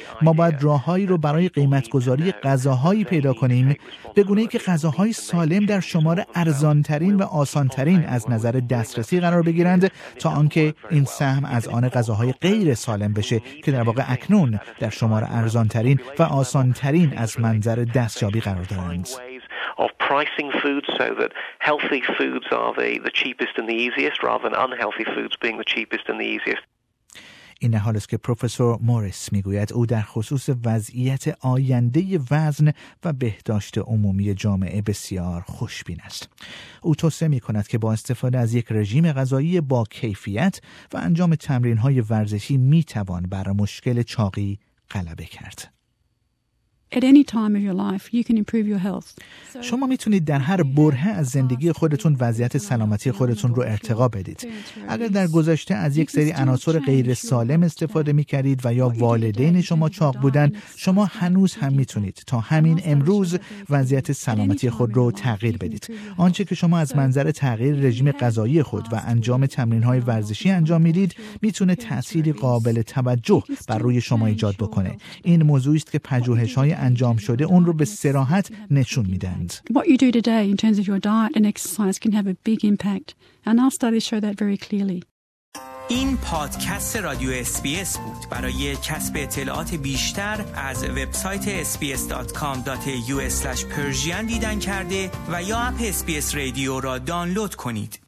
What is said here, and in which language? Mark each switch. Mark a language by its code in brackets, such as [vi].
[fa] ما باید راههایی رو برای قیمت‌گذاری غذاهایی پیدا کنیم به گونه‌ای که غذاهای سالم در شمار ارزان‌ترین و آسان‌ترین از نظر دسترسی قرار بگیرند تا آنکه این سهم از آن غذاهای غیر سالم بشه که در واقع اکنون در شمار ارزان‌ترین و آسان‌ترین از منظر دستیابی قرار دارند. [en] Pricing foods so that healthy foods are the cheapest and the easiest rather than unhealthy foods being the cheapest and the easiest. [fa] این حال است که پروفسور موریس میگوید او در خصوص وضعیت آینده وزن و بهداشت عمومی جامعه بسیار خوشبین است. او توصیه میکند که با استفاده از یک رژیم غذایی با کیفیت و انجام تمرین های ورزشی میتوان بر مشکل چاقی غلبه کرد. [en] At any time of your life, you can improve your health. [fa] شما میتونید در هر برهه از زندگی خودتون وضعیت سلامتی خودتون رو ارتقا بدید. اگر در گذشته از یک سری عناصر غیر سالم استفاده میکردید و یا والدین شما چاق بودن، شما هنوز هم میتونید تا همین امروز وضعیت سلامتی خود رو تغییر بدید. آنچه که شما از منظر تغییر رژیم غذایی خود و انجام تمرین‌های ورزشی انجام میدید، میتونه تأثیر قابل توجه بر روی شما ایجاد بکنه. این موضوعی است که پژوهش‌های انجام شده اون رو به صراحت نشون میدند. [en] What you do today in terms of your diet and exercise can have a big impact. And our studies show that very clearly. [fa] این پادکست رادیو SBS بود. برای کسب اطلاعات بیشتر از وبسایت sbs.com.au/persian دیدن کرده و یا اپ SBS رادیو را دانلود کنید.